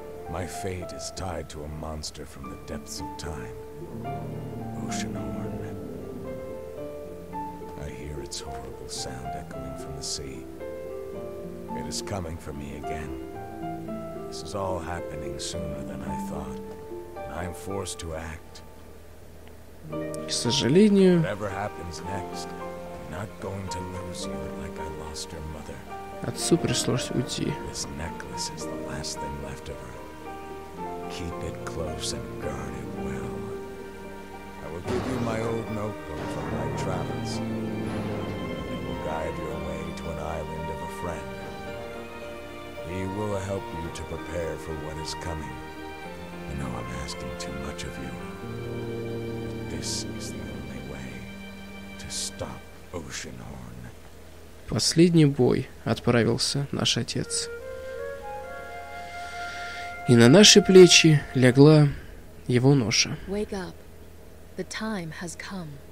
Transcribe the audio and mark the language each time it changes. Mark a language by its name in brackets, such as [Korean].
[Russian] Моя судьба связана с монстром из глубины времени. [English] Oceanhorn. [Russian] Я слышу его ужасный звук, эхоющий из моря. [English] It is coming for me again. This is all happening sooner than I thought. And I'm forced to act. [Russian] К сожалению, [English] whatever happens next, I'm not going to lose you like I lost your mother. [Russian] Отцу пришлось уйти. [English] This necklace is the last thing left of her. Keep it close and guard it well. I will give you my old notebook for my travels. It will guide your way to an island of a friend. He will help you to prepare for what is coming. I know I'm asking too much of you, but this is the only way to stop Oceanhorn. [Russian] Последний бой отправился наш отец. И на наши плечи легла его ноша. [English] Wake up. The time has come.